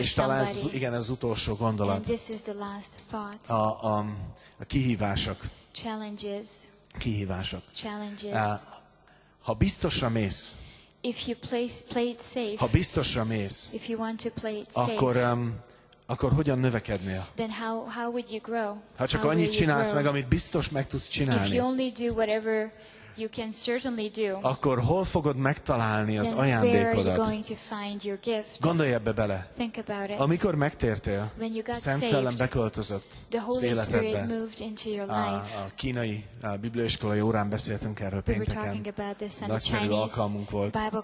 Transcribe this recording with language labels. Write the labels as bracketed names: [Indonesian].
[Hungarian] és talán ez, igen, ez az utolsó gondolat. [English] And this is the last thought. [Hungarian] A kihívások. [English] Challenges. [Hungarian] Kihívások. [English] Challenges. [Hungarian] Ha biztosra mész. [English] If you play it safe. [Hungarian] Ha biztosra mész. [English] If you want to play it safe. [Hungarian] Akkor hogyan növekednél? [English] Then how would you grow? [Hungarian] Ha csak [English] how [Hungarian] annyit csinálsz meg, amit biztos meg tudsz csinálni. [English] If you only do whatever you can certainly do. [Hungarian] Akkor hol fogod megtalálni az ajándékodat? Gondolj ebbe bele. [English] Think about it. [Hungarian] Amikor megtértél, Szent Szellem beköltözött az életedbe. A kínai bibliaiskolai órán beszéltünk erről pénteken. Nagyszerű alkalmunk volt.